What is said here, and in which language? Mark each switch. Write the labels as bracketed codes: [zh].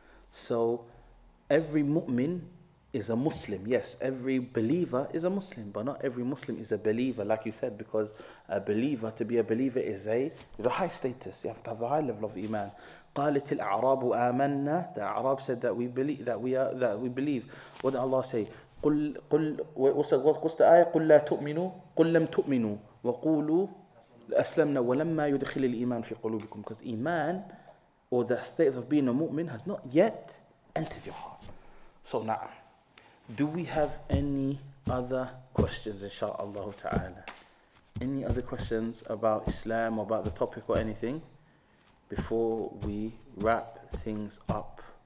[en] So every mu'min is a Muslim, yes, every believer is a Muslim, but not every Muslim is a believer, like you said, because a believer, to be a believer is a high status. You have to have a high level of Iman. [ar] قالت الأعراب آمنا. [en] The Arab said that we believe, that we believe. What did Allah say? [ar] قل آية قل لا تؤمنوا قل لم تؤمنوا وقولوا أسلمنا ولما يدخل الإيمان في قلوبكم. [en] Because Iman, or the state of being a mu'min, has not yet entered your heart. So na'am. Do we have any other questions, inshaAllah ta'ala? Any other questions about Islam or about the topic or anything before we wrap things up?